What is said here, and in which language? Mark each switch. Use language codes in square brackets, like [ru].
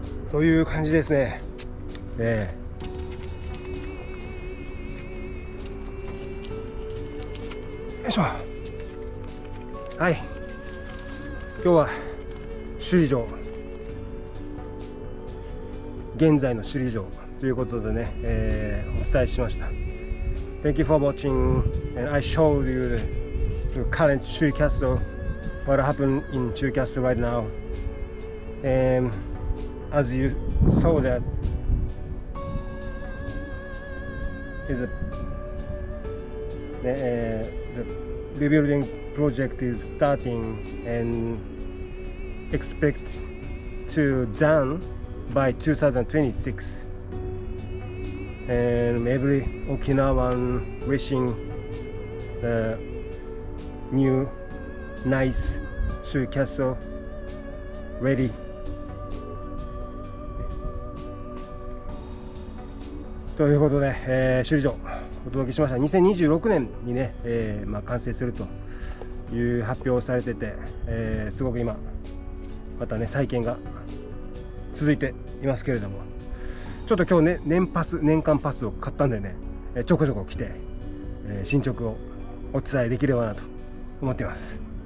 [ja] という感じですね。よいしょ。はい。今日は首里城、現在の首里城ということでね、お伝えしました。 [en] Thank you for watching, and I showed you the current Shui Castle, what happened in Shui Castle right now, and as you saw, that is the rebuilding project is starting and expect to done by 2026. And every Okinawan wishing the new nice Shui Castle ready. [ja] ということで、首里城お届けしました。2026年にね、まあ、完成するという発表をされてて、すごく今またね再建が続いていますけれども、ちょっと今日ね年パス年間パスを買ったんでね、ちょこちょこ来て、進捗をお伝えできればなと思っています。